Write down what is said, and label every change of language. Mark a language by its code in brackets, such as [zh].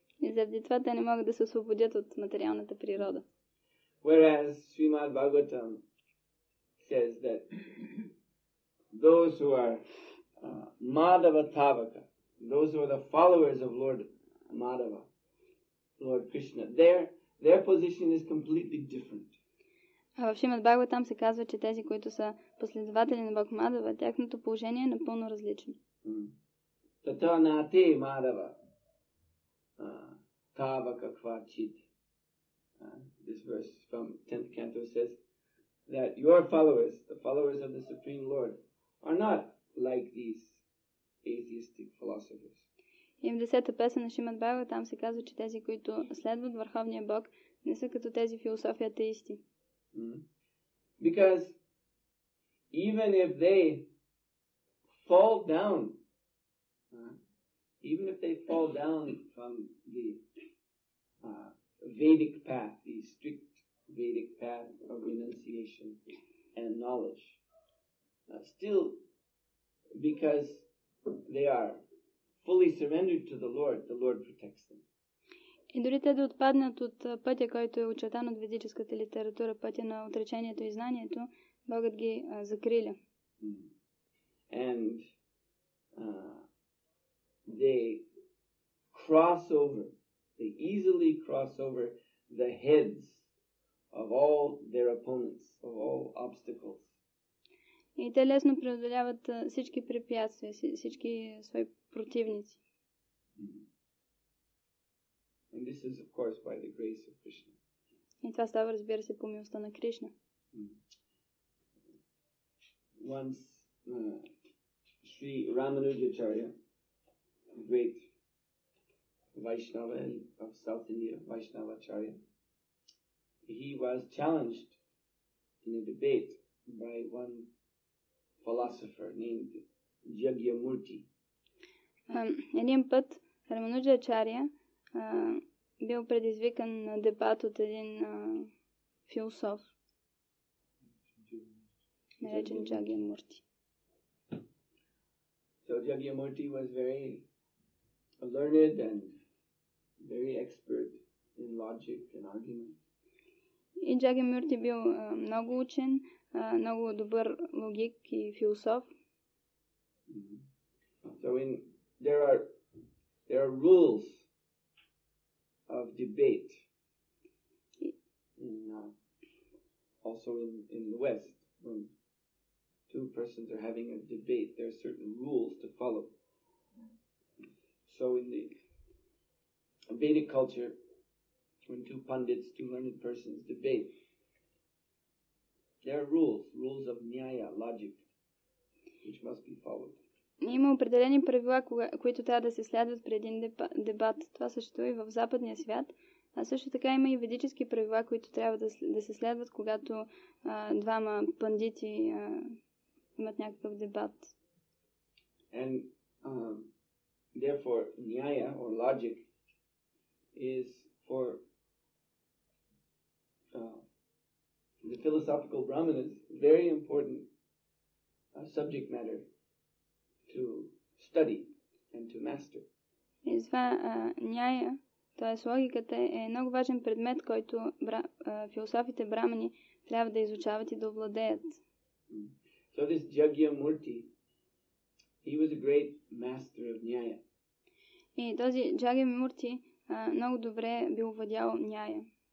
[bg] И заради това те не могат да се освободят от материалната природа. [en] Whereas Srimad Bhagavatam says that those who are Madhava Tavaka, those who are the followers of Lord Madhava, Lord Krishna. Their position is completely different. [bg] А в Шримад Бхагаватам се казва, че тези, които са последователи на Бог Мадава, тяхното положение е напълно различно. Тата на те Мадава, тава каква чит. [en] This verse from 10th canto says that your followers, the followers of the Supreme Lord, are not like these atheistic philosophers. [bg] И в 10-та песен на Шримад Бхагаватам се казва, че тези, които следват Върховния Бог, не са като тези философи атеисти. [en] Because even if they fall down, even if they fall down from the Vedic path, the strict Vedic path of renunciation and knowledge, still, because they are fully surrendered to the Lord protects them. [bg] И дори те да отпаднат от пътя, който е очертан от ведическата литература, пътя на отречението и знанието, Богът ги закриля. [en] And they cross over, they easily cross over the heads of all their opponents, of all obstacles. [bg] И те лесно преодоляват всички препятствия, всички свои противници. [en] And this is, of course, by the grace of Krishna. [bg] И това става, разбира се, по милостта на Кришна. [en] Once Sri Ramanujacharya, great Vaishnava of South India, Vaishnavacharya, he was challenged in a debate by one philosopher named Jagyamurti. [bg] Един път Рамануджачарья бил предизвикан на дебат от един философ, наречен Джагьямурти. [en] So Джагьямурти was very learned and very expert in logic and argument. [bg] И Джагьямурти бил много учен, много добър логик и философ. [en] So in there are rules of debate in, also in the West, when two persons are having a debate, there are certain rules to follow. So in the Vedic culture, when two pundits, two learned persons debate, there are rules of nyaya, logic, which must be followed. [bg] Има определени правила, които трябва да се следват при един дебат. Това съществува и в западния свят. А също така има и ведически правила, които трябва да се следват, когато двама пандити имат някакъв дебат. [en] And therefore nyaya or logic is for the philosophical brahmanas very important subject matter to study and to master. [bg] И това ньяя, т.е. логиката, е много важен предмет, който философите брамани трябва да изучават и да овладеят. [en] So this Jagyamurti, he was a great master of ньяя. [bg] И този Джагьямурти много добре бил овладял ньяя.